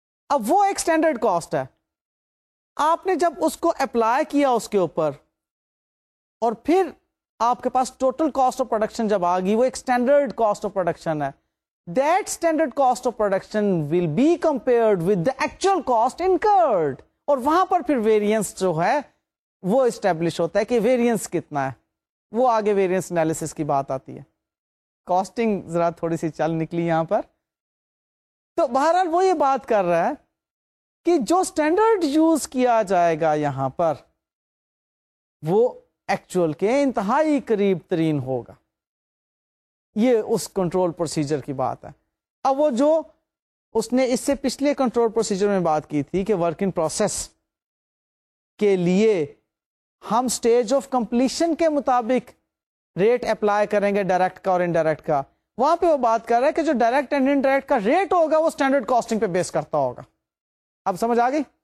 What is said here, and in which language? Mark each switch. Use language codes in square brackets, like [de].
[ur] اب وہ ایک سٹینڈرڈ کاسٹ ہے. آپ نے جب اس کو اپلائی کیا اس کے اوپر اور پھر آپ کے پاس ٹوٹل کاسٹ آف پروڈکشن جب آگی, وہ ایک سٹینڈرڈ کاسٹ آف پروڈکشن ہے. [en] that standard cost of production will be compared with the actual cost incurred, [ur] اور وہاں پر پھر ویریئنس جو ہے وہ اسٹیبلش ہوتا ہے کہ ویریئنس کتنا ہے. وہ آگے ویریئنس انالیسس کی بات آتی ہے. کاسٹنگ ذرا تھوڑی سی چل نکلی یہاں پر. تو بہرحال وہ یہ بات کر رہا ہے کہ جو سٹینڈرڈ یوز کیا جائے گا یہاں پر وہ ایکچوئل کے انتہائی قریب ترین ہوگا. یہ اس کنٹرول پروسیجر کی بات ہے. اب وہ جو اس نے اس سے پچھلے کنٹرول پروسیجر میں بات کی تھی کہ ورک ان پروسیس کے لیے ہم سٹیج آف کمپلیشن کے مطابق ریٹ اپلائی کریں گے ڈائریکٹ کا اور انڈائریکٹ کا, وہاں پہ وہ بات کر رہا ہے کہ جو ڈائریکٹ اینڈ انڈائریکٹ کا ریٹ ہوگا وہ سٹینڈرڈ کاسٹنگ پہ بیس کرتا ہوگا. اب سمجھ آ گئی؟